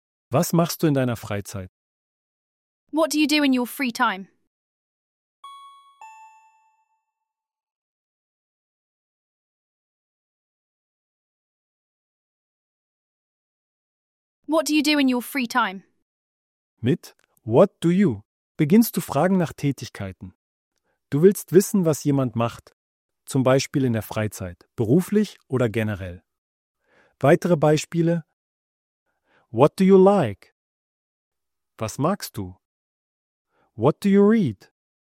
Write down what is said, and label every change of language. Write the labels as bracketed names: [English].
[German] Was machst du in deiner Freizeit? [English] What do you do in your free time? What do you do in your free time? [German] Mit [English] What do you [German] beginnst du Fragen nach Tätigkeiten. Du willst wissen, was jemand macht, zum Beispiel in der Freizeit, beruflich oder generell. Weitere Beispiele: [English] What do you like? [German] Was magst du? [English] What do you read?